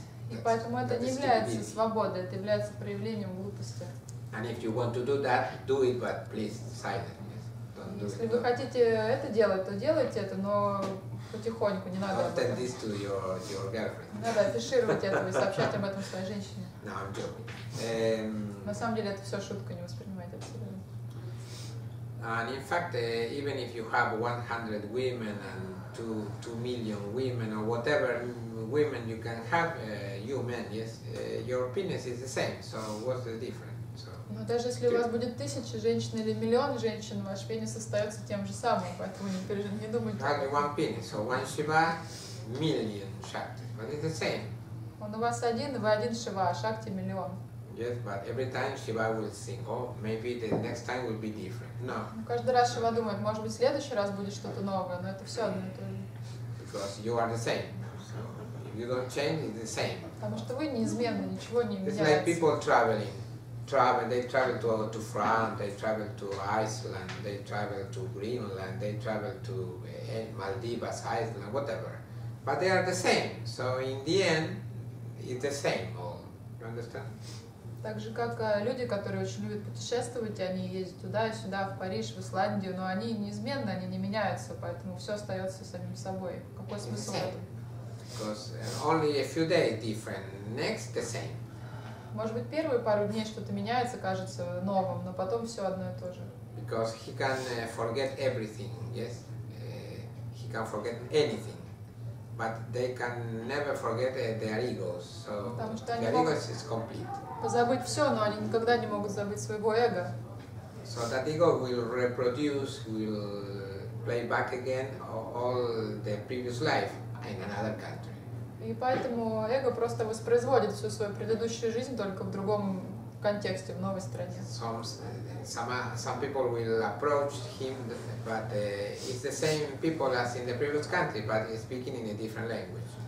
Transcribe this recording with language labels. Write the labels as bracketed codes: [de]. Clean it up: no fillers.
[ru] И поэтому это не является свободой, это является проявлением глупости. [en] And if you want to do that, do it, but please silence. [ru] Если вы хотите это делать, то делайте это, но потихоньку, не надо. [en] Don't tell this to your girlfriend. [ru] Надо афишировать это и сообщать об этом своей женщине. [en] No, I'm joking. [ru] На самом деле это все шутка, не воспринимайте абсолютно. [en] And in fact, even if you have 100 women and 2 million women or whatever women you can have, you men, yes, your penis is the same. So what's the difference? [ru] Но даже если у вас будет 1000 женщин или 1 000 000 женщин, ваш пенис остается тем же самым, поэтому не думайте. [en] Only one penis, so one Shiva, million Shakti, but it's the same. [ru] Он у вас один, и вы один Шива, а Шакти миллион. [en] Yes, but every time Shiva will think, oh, maybe the next time will be different. No. [ru] Каждый раз Шива думает, может быть, в следующий раз будет что-то новое, но это все одно и то же. [en] Because you are the same. If you don't change, it's the same. [ru] Потому что вы неизменны, ничего не меняется. [en] It's like people traveling. They travel to France, they travel to Iceland, they travel to Greenland, they travel to Maldives, Iceland, whatever. But they are the same. So in the end, it's the same all. You understand? [ru] Так же, как люди, которые очень любят путешествовать, они ездят туда, сюда, в Париж, в Исландию, но они неизменны, они не меняются, поэтому все остается самим собой. Какой смысл в этом? [en] Because only a few days different, next the same. [ru] Может быть, первые пару дней что-то меняется, кажется новым, но потом все одно и то же. [en] Because he can forget everything, yes? He can forget anything. But they can never forget their egos. So their egos is complete. [ru] Позабыть все, но они никогда не могут забыть своего эго. [en] So that ego will reproduce, will play back again all the previous life in another country. [ru] И поэтому эго просто воспроизводит всю свою предыдущую жизнь только в другом контексте, в новой стране. [en] Some people will approach him, but it's the same people as in the previous country, but he's speaking in a different language.